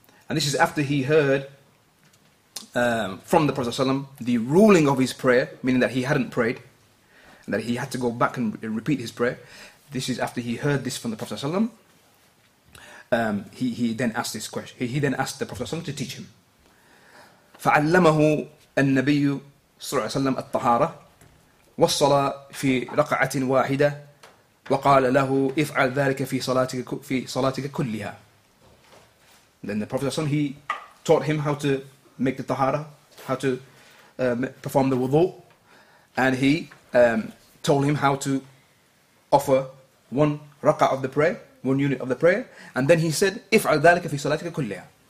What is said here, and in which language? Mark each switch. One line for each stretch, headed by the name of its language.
English: And this is after he heard from the Prophet ﷺ the ruling of his prayer, meaning that he hadn't prayed, and that he had to go back and repeat his prayer. This is after he heard this from the Prophet ﷺ. He then asked this question. He then asked the Prophet ﷺ to teach him.
Arabic: فَعَلَّمَهُ النَّبِيُّ صَلَّى اللَّهُ عَلَيْهِ وَسَلَّمْ الطَّهَارَةَ والصلاة في رقعة واحدة وقال له افعل ذلك في صلاتك كلها.
English: Then the Prophet ﷺ, he taught him how to make the tahara, how to perform the wudu, and he told him how to offer one raqa of the prayer, one unit of the prayer, and then he said
Arabic: افعل ذلك في صلاتك كلها.